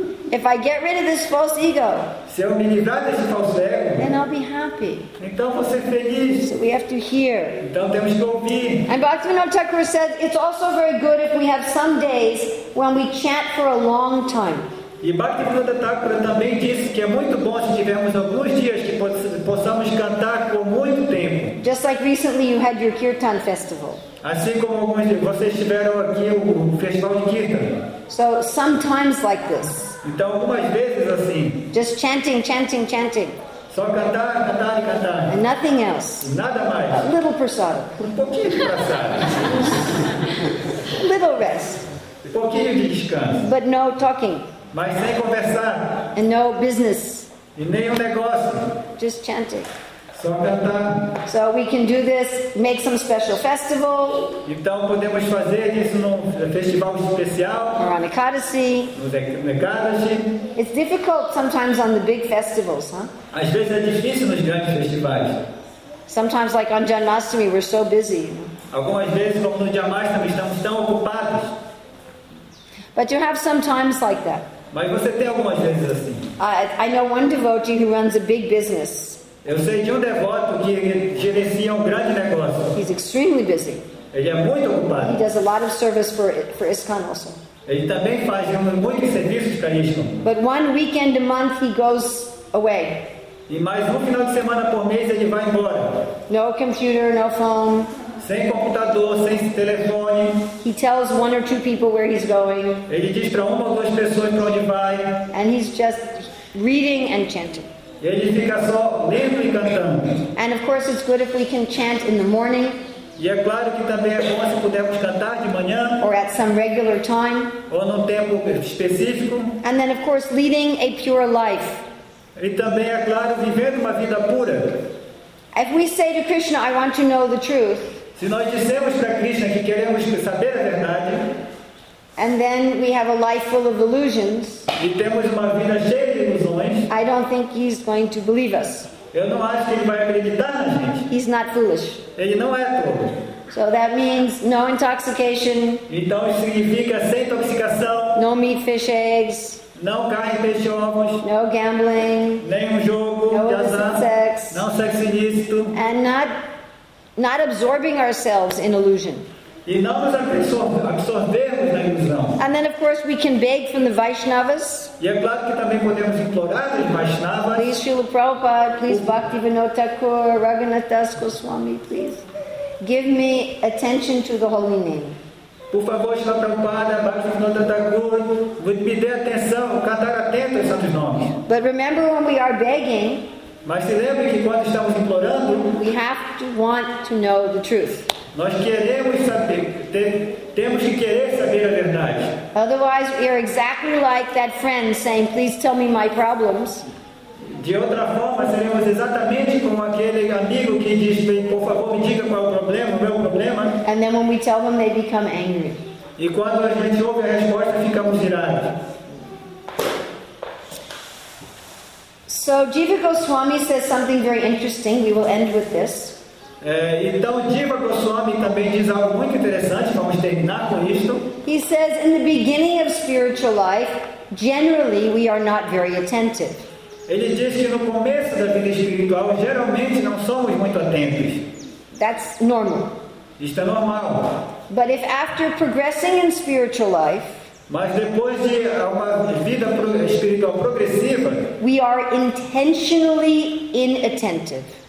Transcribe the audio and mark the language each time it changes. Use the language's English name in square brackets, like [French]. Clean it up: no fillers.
[English] If I get rid of this false ego, [Portuguese] se eu me livrar desse falso ego, [English] then I'll be happy. [Portuguese] Então vou ser feliz. [English] So we have to hear. [Portuguese] Então temos que ouvir. [English] And Bhaktivinoda Thakur says it's also very good if we have some days when we chant for a long time. [Portuguese] E Bhaktivinoda Thakur também disse que é muito bom se tivermos alguns dias que possamos cantar por muito tempo. [English] Just like recently you had your Kirtan festival. [Portuguese] Assim como alguns de vocês tiveram aqui o festival de Kirtan. [English] So sometimes like this. [Portuguese] Então, algumas vezes assim. [English] Just chanting. [Portuguese] Só cantar. [English] And nothing else. [Portuguese] Nada mais. [English] A little prasada. [Portuguese] Um pouquinho de prasada. [English] A little rest. [Portuguese] Um pouquinho de descanso. [English] But no talking. [Portuguese] Mas sem conversar. [English] And no business. [Portuguese] E nenhum negócio. [English] Just chanting. [Portuguese] Só cantar. [English] So we can do this, make some special festival. [Portuguese] Então podemos fazer isso num festival especial. [English] Or on Ekadashi. It's difficult sometimes on the big festivals, huh? [Portuguese] Às vezes é difícil nos grandes festivais. [English] Sometimes like on Janmashtami, we're so busy. [Portuguese] Algumas vezes, como no Janmashtami, estamos tão ocupados. [English] But you have some times like that. [Portuguese] Mas você tem algumas vezes assim. [English] I know one devotee who runs a big business. [Portuguese] Eu sei de um devoto que gerencia um grande negócio. [English] He's extremely busy. [Portuguese] Ele é muito ocupado. [English] He does a lot of service for ISKCON also. [Portuguese] Ele também faz muitos serviços para ISKCON. [English] But one weekend a month he goes away. [Portuguese] E mais um final de semana por mês ele vai embora. [English] No computer, no phone. [Portuguese] Sem computador, sem telefone. [English] He tells one or two people where he's going. [Portuguese] Ele diz para uma ou duas pessoas para onde vai. [English] And he's just reading and chanting. [Portuguese] E ele fica só lendo e cantando. [English] And of course it's good if we can chant in the morning. [Portuguese] E é claro que também é bom se pudermos cantar de manhã. [English] Or at some regular time. [Portuguese] Ou num tempo específico. [English] And then of course leading a pure life. [Portuguese] E também é claro vivendo uma vida pura. [English] If we say to Krishna, I want to know the truth. [Portuguese] Se nós dissemos para Krishna que queremos saber a verdade. [English] And then we have a life full of illusions. [Portuguese] E temos uma vida cheia de ilusões. [English] I don't think he's going to believe us. [Portuguese] Eu não acho que ele vai acreditar na gente. [English] He's not foolish. [Portuguese] Ele não é tolo. [English] So that means no intoxication. [Portuguese] Então isso significa sem intoxicação. [English] No meat, fish, eggs. [Portuguese] Não carne, peixe, ovos. [English] No gambling. [Portuguese] Nenhum jogo. [English] No sex. [Portuguese] Não sexo ilícito. [English] And not absorbing ourselves in illusion. [Portuguese] E não nos absorvermos na ilusão. [English] And then of course we can beg from the Vaishnavas. [Portuguese] E é claro que também podemos implorar dos Vaishnavas. [English] Please Srila Prabhupada, please Bhaktivinoda Thakur, Raghunath Das Goswami, please give me attention to the holy name. [Portuguese] Por favor, Srila Prabhupada, Bhaktivinoda Thakur, me dê atenção, cantar atento aos santos nomes. [English] But remember when we are begging, [Portuguese] mas se lembre que quando estamos implorando, [English] we have to want to know the truth. [Portuguese] Nós queremos saber, temos que querer saber a verdade. [English] Otherwise, we are exactly like that friend saying, please tell me my problems. [Portuguese] De outra forma, seremos exatamente como aquele amigo que diz, por favor, me diga qual é o problema, o meu problema. [English] And then when we tell them, they become angry. [Portuguese] E quando a gente ouve a resposta, ficamos irados. [English] So, Jiva Goswami says something very interesting. We will end with this. [Portuguese] Então Jiva Goswami também diz algo muito interessante, vamos terminar com isto. [English] He says, in the beginning of spiritual life, generally we are not very attentive. [Portuguese] Ele diz que no começo da vida espiritual, geralmente não somos muito atentos. [English] That's normal. [Portuguese] Isto é normal. [English] But if after progressing in spiritual life, [Portuguese] mas depois de uma vida espiritual progressiva, [English] we are intentionally inattentive.